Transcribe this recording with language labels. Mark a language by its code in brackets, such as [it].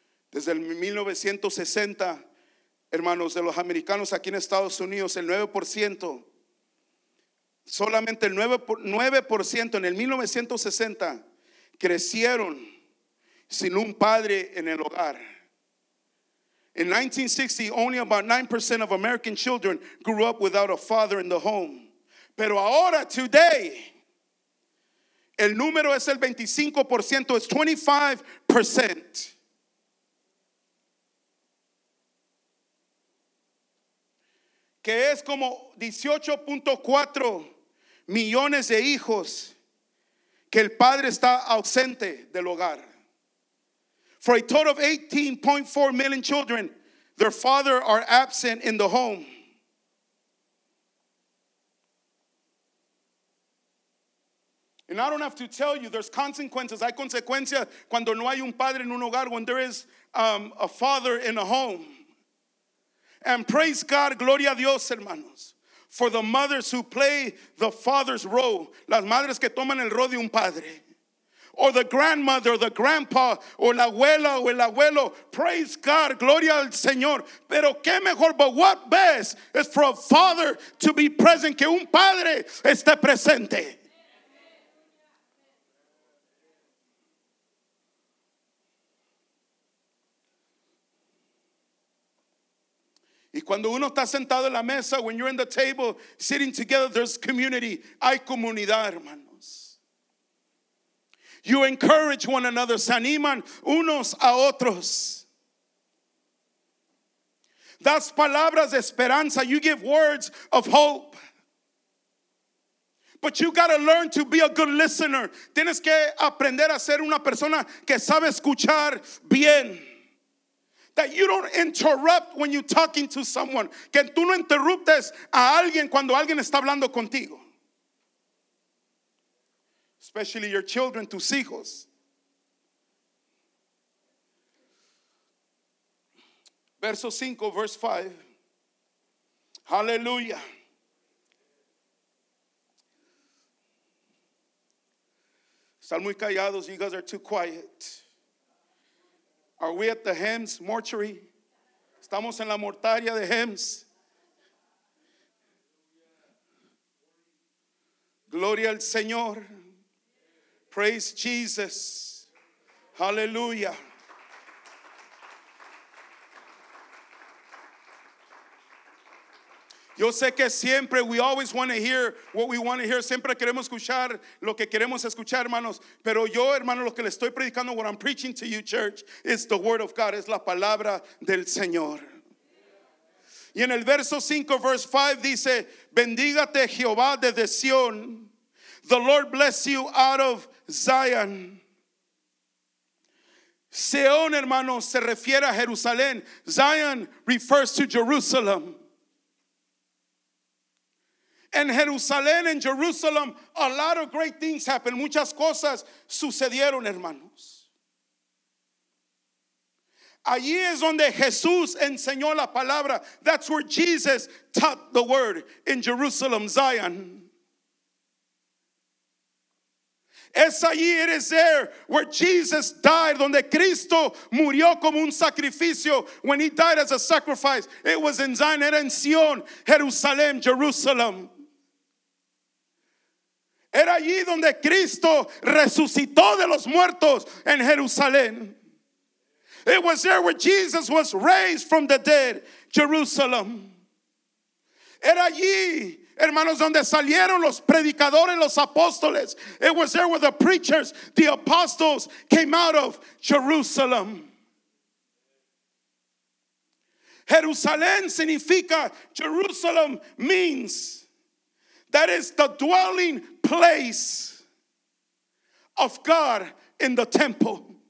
[es] Desde el 1960, hermanos, de los americanos aquí en Estados Unidos, el 9%, solamente el 9% en el 1960 crecieron sin un padre en el hogar. [en] In 1960, only about 9% of American children grew up without a father in the home. [es] Pero ahora, [en] today, [es] el número es el 25%, [en] it's 25%. [es] Que es como 18.4 millones de hijos que el padre está ausente del hogar. [en] For a total of 18.4 million children, their father are absent in the home. And I don't have to tell you, there's consequences. [es] Hay consecuencias cuando no hay un padre en un hogar, [en] when there is a father in a home. And praise God, [es] gloria a Dios, hermanos, [en] for the mothers who play the father's role, [es] las madres que toman el rol de un padre, [en] or the grandmother, the grandpa, or [es] la abuela o el abuelo. [en] Praise God, [es] gloria al Señor. Pero qué mejor, [en] but what best is for a father to be present, [es] que un padre esté presente. Y cuando uno está sentado en la mesa, [en] when you're in the table, sitting together, there's community. [es] Hay comunidad, hermanos. [en] You encourage one another. [es] Se animan unos a otros. Das palabras de esperanza. [en] You give words of hope. But you got to learn to be a good listener. [es] Tienes que aprender a ser una persona que sabe escuchar bien. [en] That you don't interrupt when you're talking to someone. [es] Que tú no interruptes a alguien cuando alguien está hablando contigo. [en] Especially your children, [es] tus hijos. [en] Verso 5, verse 5. Hallelujah. [es] Están muy callados. [en] You guys are too quiet. Are we at the Hems mortuary? [es] Estamos en la mortaria de Hems. Gloria al Señor. [en] Praise Jesus. [es] Hallelujah. Yo sé que siempre, [en] we always want to hear what we want to hear. [es] Siempre queremos escuchar lo que queremos escuchar, hermanos. Pero yo, hermano, lo que le estoy predicando, [en] what I'm preaching to you, church, is the word of God, [es] es la palabra del Señor. Y en el verso 5, [en] verse 5, [es] dice, bendígate Jehová desde Sion. [en] The Lord bless you out of Zion. [es] Sion, hermanos, se refiere a Jerusalén. [en] Zion refers to Jerusalem. [es] En Jerusalén, [en] en Jerusalem, a lot of great things happened. [es] Muchas cosas sucedieron, hermanos. Allí es donde Jesús enseñó la palabra. [en] That's where Jesus taught the word, in Jerusalem, Zion. [es] Es allí, [en] it is there, where Jesus died, [es] donde Cristo murió como un sacrificio. [en] When he died as a sacrifice, it was in Zion, [es] era en Sion, [en] Jerusalén, Jerusalem. [es] Era allí donde Cristo resucitó de los muertos en Jerusalén. [en] It was there where Jesus was raised from the dead, Jerusalem. [es] Era allí, hermanos, donde salieron los predicadores, los apóstoles. [en] It was there where the preachers, the apostles, came out of Jerusalem. [es] Jerusalén significa, [en] Jerusalem means, that is the dwelling place of God in the temple.